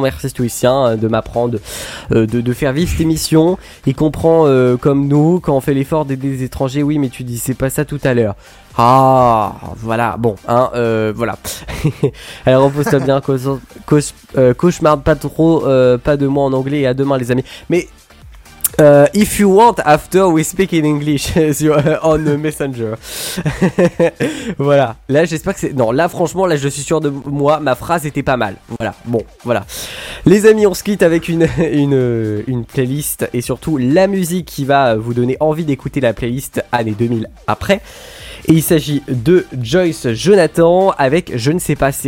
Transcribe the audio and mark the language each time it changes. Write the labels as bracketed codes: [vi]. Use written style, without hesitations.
[fr] Merci Stoïcien de m'apprendre de faire vivre cette émission. Il comprend comme nous quand on fait l'effort d'aider les étrangers. Oui, mais tu dis c'est pas ça tout à l'heure. Ah voilà, bon hein, voilà. Alors repose-toi bien, cauchemar pas trop pas de moi en anglais, et à demain les amis. [en] Mais if you want, after we speak in English on Messenger. [fr] Voilà. Là, j'espère que c'est. Non, là, franchement, là, je suis sûr de moi. Ma phrase était pas mal. Voilà. Bon, voilà. Les amis, on se quitte avec une playlist et surtout la musique qui va vous donner envie d'écouter la playlist année 2000 après. Et il s'agit de Joyce Jonathan avec Je ne sais pas.